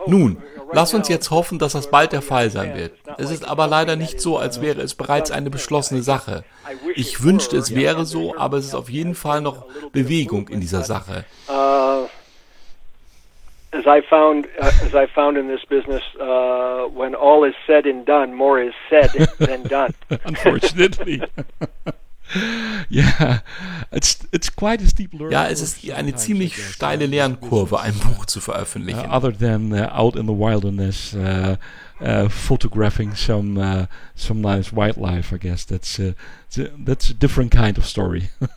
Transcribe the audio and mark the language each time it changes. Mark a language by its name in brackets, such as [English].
[German] Nun, lass uns jetzt hoffen, dass das bald der Fall sein wird. Es ist aber leider nicht so, als wäre es bereits eine beschlossene Sache. Ich wünschte, es wäre so, aber es ist auf jeden Fall noch Bewegung in dieser Sache. [English] As I found in this business, when all is said and done, more is said than done. Unfortunately. [German] Ja, es ist eine ziemlich steile Lernkurve, ein Buch zu veröffentlichen. [English] Other than out in the wilderness, photographing some nice wildlife, I guess that's a different kind of story.